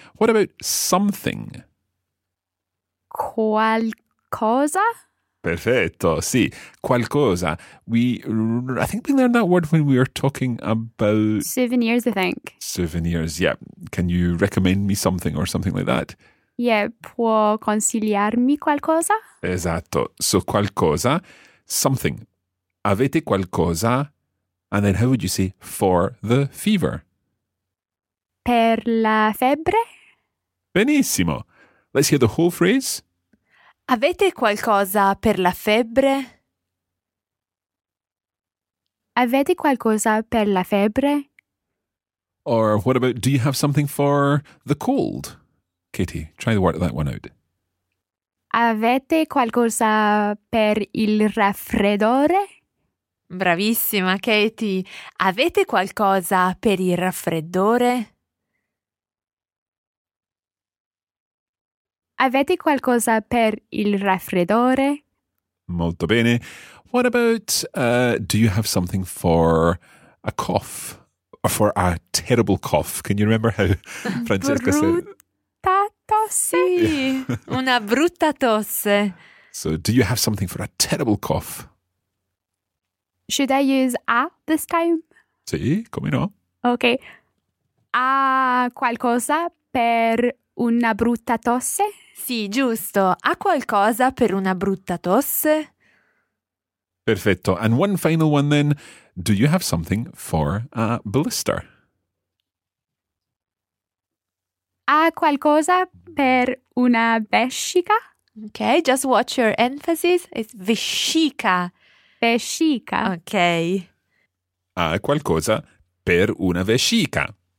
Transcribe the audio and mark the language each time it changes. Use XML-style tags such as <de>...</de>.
<en>What about something?</en> <it>Qualcosa? Perfetto, sì, qualcosa.</it> <en>I think we learned that word when we were talking about... Souvenirs, I think. Souvenirs, yeah. Can you recommend me something or something like that?</en> <it>Yeah, può consigliarmi qualcosa? Esatto. So qualcosa, something. Avete qualcosa?</it> <en>And then how would you say for the fever?</en> <it>Per la febbre? Benissimo.</it> <en>Let's hear the whole phrase.</en> <it>Avete qualcosa per la febbre? Avete qualcosa per la febbre?</it> <en>Or what about, do you have something for the cold? Katie, try to work that one out.</en> <it>Avete qualcosa per il raffreddore? Bravissima, Katie. Avete qualcosa per il raffreddore? Avete qualcosa per il raffreddore? Molto bene.</it> <en>What about, do you have something for a cough? Or for a terrible cough? Can you remember how Francesca said?</en> <it>Tosse. Una brutta tosse.</it> <en>So, do you have something for a terrible cough? Should I use a this time?</en> <it>Sì, come no.</it> <en>Okay.</en> <it>A qualcosa per una brutta tosse? Sì, giusto. A qualcosa per una brutta tosse?</it> <en>Perfetto. And one final one then. Do you have something for a blister?</en> <it>Ha qualcosa per una vescica?</it> <en>Okay, just watch your emphasis. It's vescica.</en> <it>Vescica.</it> <en>Okay.</en> <it>Ha qualcosa per una vescica.</it>